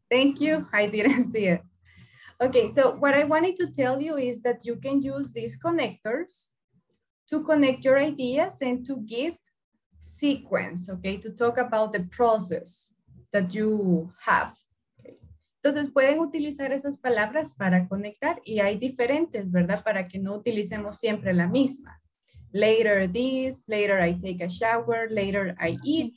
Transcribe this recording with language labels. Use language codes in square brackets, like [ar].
[en] Thank you. I didn't see it. Okay, so what I wanted to tell you is that you can use these connectors to connect your ideas and to give sequence, okay, to talk about the process that you have. [es] Entonces, pueden utilizar esas palabras para conectar y hay diferentes, ¿verdad? Para que no utilicemos siempre la misma. [en] Later this, later I take a shower, later I eat.